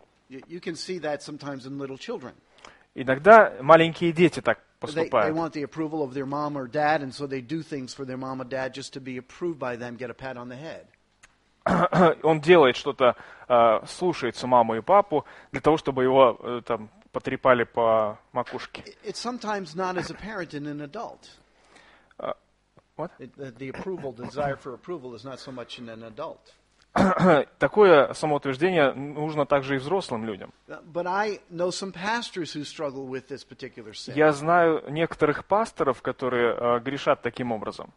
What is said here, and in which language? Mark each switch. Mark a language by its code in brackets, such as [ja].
[en] You can see that sometimes in little children. [ru] Иногда маленькие дети так поступают. [en] They want the approval of their mom or dad, and so they do things for their mom or dad just to be approved by them, get a pat on the head. [ru] Он делает что-то, слушается маму и папу для того, чтобы его там потрепали по макушке. [en] It's sometimes not as apparent in an adult. The approval, desire for approval, is not so much in an adult. [ru] Такое самоутверждение нужно также и взрослым людям. Я знаю некоторых пасторов, которые грешат таким образом.